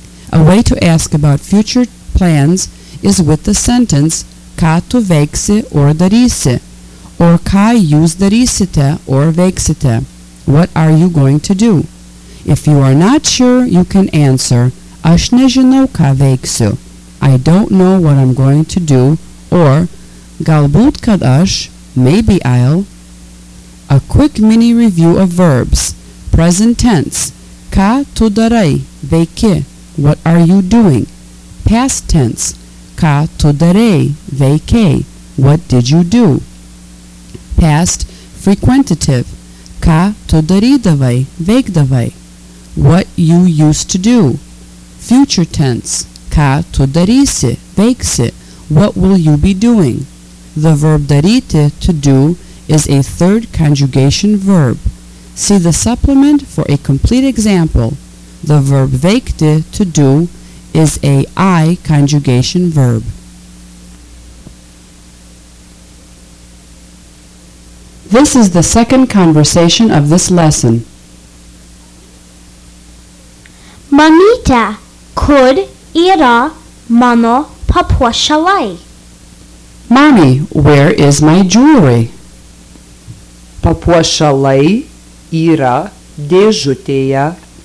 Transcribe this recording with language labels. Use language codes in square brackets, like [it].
[en] A way to ask about future plans is with the sentence [lt] ką tu veiksi [en] or darysi, or [lt] ką jūs darysite [en] or veiksite. What are you going to do? If you are not sure, you can answer, [lt] aš nežinau, ką veiksiu. [en] I don't know what I'm going to do. Or, [lt] galbūt kad aš, [en] maybe I'll. A quick mini review of verbs. Present tense, [lt] ką tu darai, veiki, [en] what are you doing? Past tense, [lt] ką tu darai, veiki, [en] what did you do? Past frequentative, [lt] ką tu darydavai, veikdavai, [en] what you used to do? Future tense, [lt] ką tu darysi, veiksi, [en] what will you be doing? The verb daryti, to do, is a third conjugation verb. See the supplement for a complete example. The verb veikti, to do, is a I conjugation verb. This is the second conversation of this lesson. [lt] Mamita, kur yra mano papuošalai? [en] Mommy, where is my jewelry? [lt] Papuošalai yra dėžutėje.